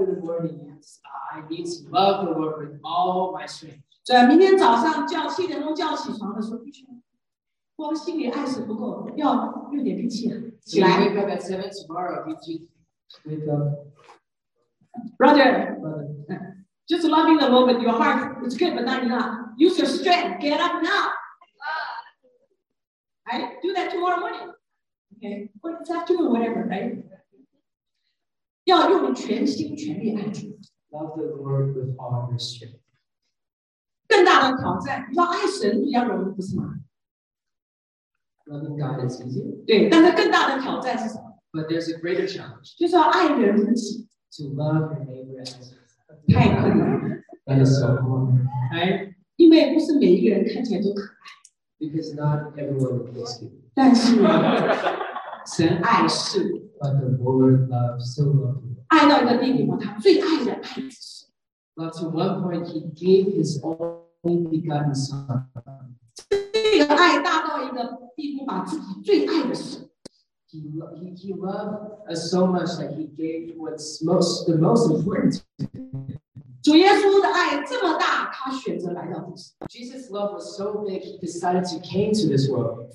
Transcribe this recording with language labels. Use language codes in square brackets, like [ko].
[en] in the morning, I need to love the Lord with all my strength. [zh] 对，明天早上叫7点钟叫起床的时候，不行，光心里爱是不够，要用点力气起来。 [en] So you wake up at 7 tomorrow, you need to wake up. Brother. Just loving the moment your heart is good, but not enough. Use your strength. Get up now. Right? Do that tomorrow morning. Okay? Or this afternoon, whatever, right? [zh] 要用全心全力爱主. [en] Love the Lord with all your strength. [zh] 更大的挑战，你说爱神比较容易，不是吗？ [en] Loving God is easy. [zh] 对，但是更大的挑战是什么？ [en] But there's a greater challenge. [zh] 就是要爱人如己. [en] To love your neighbor as yourself. [zh] 太困难了，因为不是每一个人看起来都可爱。 [en] Because not everyone looks cute. [zh] 但是。神爱世人。 [en] But the Lord loves so much. [zh] 爱到一个地步，他最爱的爱子是。 [en] But to one point, he gave his only begotten son. [zh] 这个爱大到一个地步，把自己最爱的神。 [en] He loved us so much that he gave what's most the most important. [zh] 主耶稣的爱这么大，他选择来到这世。 [en] Jesus' love was so big, he decided to came to this world.